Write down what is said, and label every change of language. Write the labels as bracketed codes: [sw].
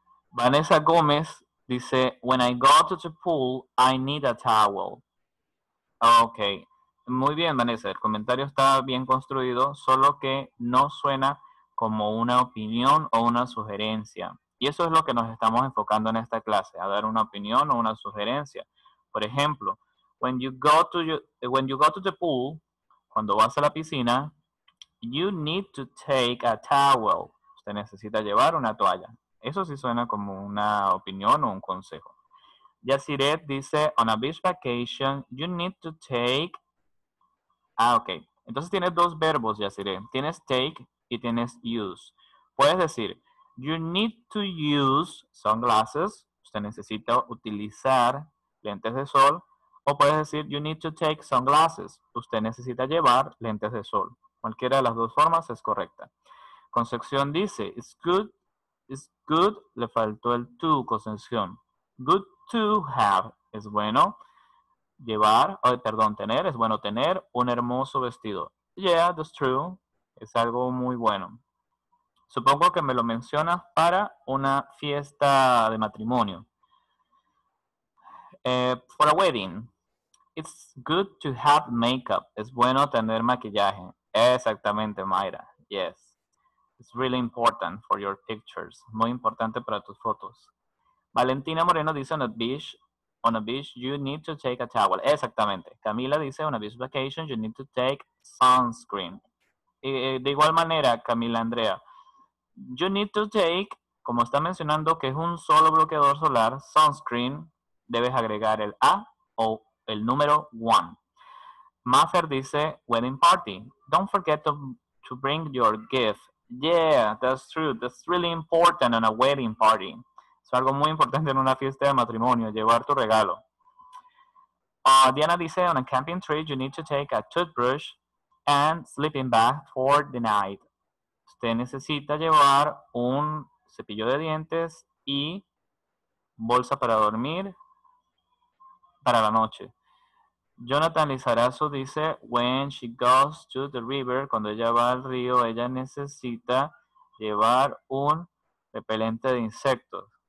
[en] Vanessa Gómez dice, when I go to the pool, I need a towel. [es] Ok. Muy bien, Vanessa. El comentario está bien construido, solo que no suena como una opinión o una sugerencia. Y eso es lo que nos estamos enfocando en esta clase, a dar una opinión o una sugerencia. Por ejemplo, [en] when you go to the pool, [es] cuando vas a la piscina, [en] you need to take a towel. [es] Usted necesita llevar una toalla. Eso sí suena como una opinión o un consejo. [en] Yaciret dice, on a beach vacation, you need to take... [es] Ah, ok. Entonces tienes dos verbos, Yaciret. Tienes take y tienes use. Puedes decir... [en] You need to use sunglasses. [es] Usted necesita utilizar lentes de sol. O puedes decir, [en] you need to take sunglasses. [es] Usted necesita llevar lentes de sol. Cualquiera de las dos formas es correcta. Concepción dice, [en] it's good. It's good. [es] Le faltó el to, Concepción. [en] Good to have. [es] Es bueno llevar, oh, perdón, tener, es bueno tener un hermoso vestido. [en] Yeah, that's true. [es] Es algo muy bueno. Supongo que me lo mencionas para una fiesta de matrimonio. [en] For a wedding. It's good to have makeup. [es] Es bueno tener maquillaje. Exactamente, Mayra. Yes. [en] It's really important for your pictures. [es] Muy importante para tus fotos. [en] Valentina Moreno dice on a beach. On a beach, you need to take a towel. Exactamente. Camila dice on a beach vacation, you need to take sunscreen. [es] De igual manera, Camila Andrea. [en] You need to take, [es] como está mencionando, que es un solo bloqueador solar, sunscreen, debes agregar el A o el número 1. [en] Maffer dice, wedding party. Don't forget to bring your gift. Yeah, that's true. That's really important on a wedding party. [es] Es algo muy importante en una fiesta de matrimonio, llevar tu regalo. [en] Diana dice, on a camping trip, you need to take a toothbrush and sleeping bag for the night. [es] Usted necesita llevar un cepillo de dientes y bolsa para dormir para la noche. Jonathan Lizarazo dice, [en] when she goes to the river, [es] cuando ella va al río, ella necesita llevar un repelente de insectos.